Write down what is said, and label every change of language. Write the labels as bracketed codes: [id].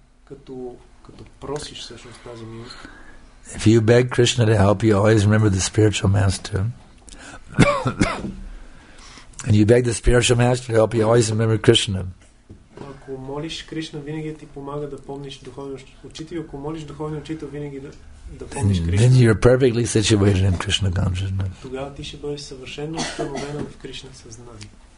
[bg] Като просиш всъщност тази милост. [en] If you beg Krishna to help you, always remember the spiritual master. And you beg the spiritual master to help you, always remember Krishna. [bg] Ако молиш Кришна, винаги ти помага да помниш духовния учител. Ако молиш духовния учител, винаги да помниш Кришна. [en] Then you're perfectly situated in Krishna consciousness. [bg] Тогава ти ще бъдеш съвършено установен в Кришна съзнание.